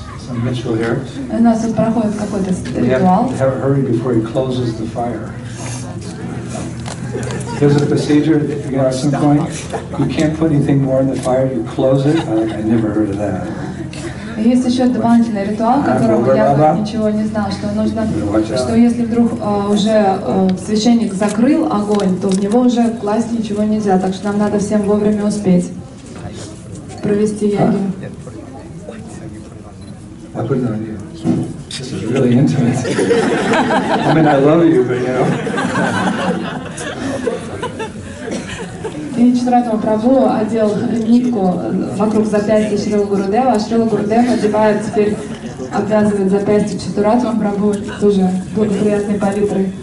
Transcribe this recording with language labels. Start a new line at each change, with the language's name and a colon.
Russian: У нас тут проходит какой-то ритуал.
English: We have to hurry before he closes the fire. There's a procedure at some point. You can't put anything more in the fire. You close it. I never heard of that.
Russian: Есть еще дополнительный ритуал, которого я ничего не знал, что нужно, что если вдруг уже священник закрыл огонь, то в него уже класть ничего нельзя. Так что нам надо всем вовремя успеть провести яги.
English: I put it on you. This is really intimate. I mean, I love you, but you know.
Russian: И Чатратова Прабу одел нитку вокруг запястья Шрилы Гурудева, а Шрилы Гурудева одевает теперь, обвязывает запястье Чатратова Прабу тоже благоприятной палитрой.